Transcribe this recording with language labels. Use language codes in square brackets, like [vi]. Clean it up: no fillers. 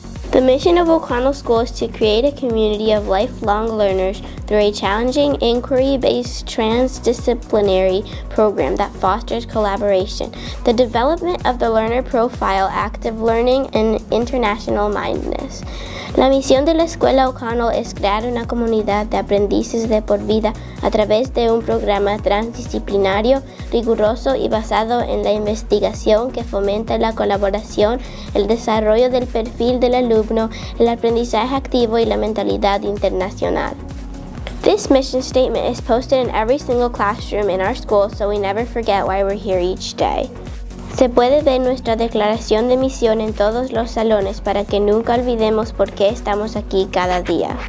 [en] The mission of O'Connell School is to create a community of lifelong learners through a challenging, inquiry-based, transdisciplinary program that fosters collaboration, the development of the learner profile, active learning, and international mindedness. [es] La misión de la Escuela O'Connell es crear una comunidad de aprendices de por vida a través de un programa transdisciplinario, riguroso y basado en la investigación que fomenta la colaboración, el desarrollo del perfil del alumno, el aprendizaje activo y la mentalidad internacional. [en] This mission statement is posted in every single classroom in our school so we never forget why we're here each day. [es] Se puede ver nuestra declaración de misión en todos los salones para que nunca olvidemos por qué estamos aquí cada día.